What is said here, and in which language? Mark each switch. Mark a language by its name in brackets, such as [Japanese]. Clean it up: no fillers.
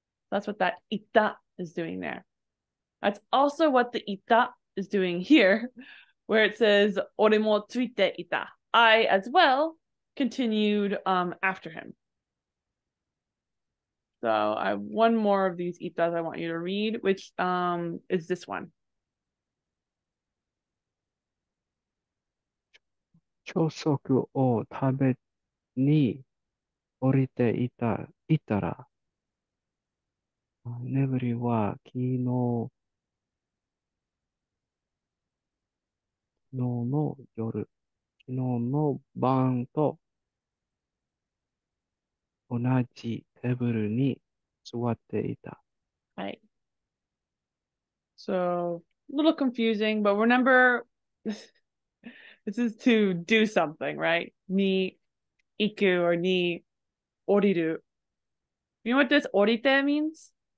[English] That's what that ita is doing there. That's also what the ita is doing here, where it says, [Japanese] "Ore mo tsuite ita." [English] I as well continued after him. So I have one more of these itas I want you to read, which is this one. [Japanese] 朝食を食べに降りていた、いたら、眠りは昨日の夜、昨日の晩と同じテーブルに座っていた。 [English] Right. So a little confusing, but remember this is to do something, right? Ni iku or ni oriru. You know what this orite means?